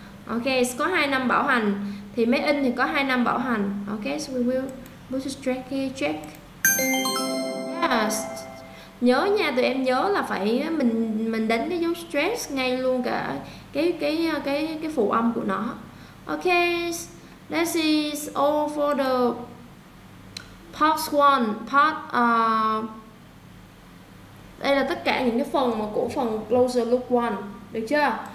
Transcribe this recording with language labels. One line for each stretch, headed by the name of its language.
Vietnamese: Ok, có 2 năm bảo hành thì máy in thì có 2 năm bảo hành.
English: Ok, so we will put this track here, check. Yes.
Vietnamese: Nhớ nha, tụi em nhớ là phải mình đánh cái dấu stress ngay luôn cả cái phụ âm của nó. Ok,
English: this is all for the part 1,
Vietnamese: part đây là tất cả những cái phần mà của phần closer look 1, được chưa?